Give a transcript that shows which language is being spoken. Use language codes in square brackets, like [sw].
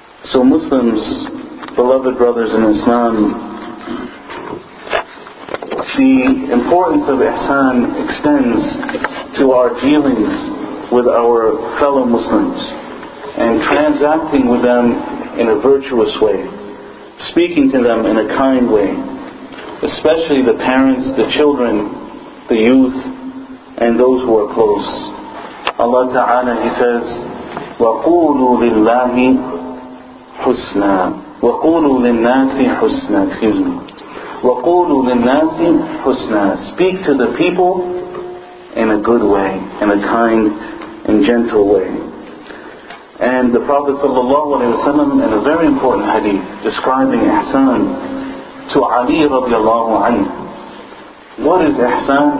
[en] So Muslims, beloved brothers in Islam, the importance of ihsan extends to our dealings with our fellow Muslims and transacting with them in a virtuous way, speaking to them in a kind way, especially the parents, the children, the youth, and those who are close. Allah Ta'ala, He says, [ar] وَقُولُوا لِلَّهِ حُسْنًا وَقُولُوا لِلنَّاسِ حُسْنًا. [en] Excuse me. [ar] وَقُولُوا لِلنَّاسِ حُسْنًا. [en] Speak to the people in a good way, in a kind and gentle way. And the Prophet sallallahu alaihi wasallam, in a very important hadith describing ihsan to Ali radiallahu anhu. What is ihsan?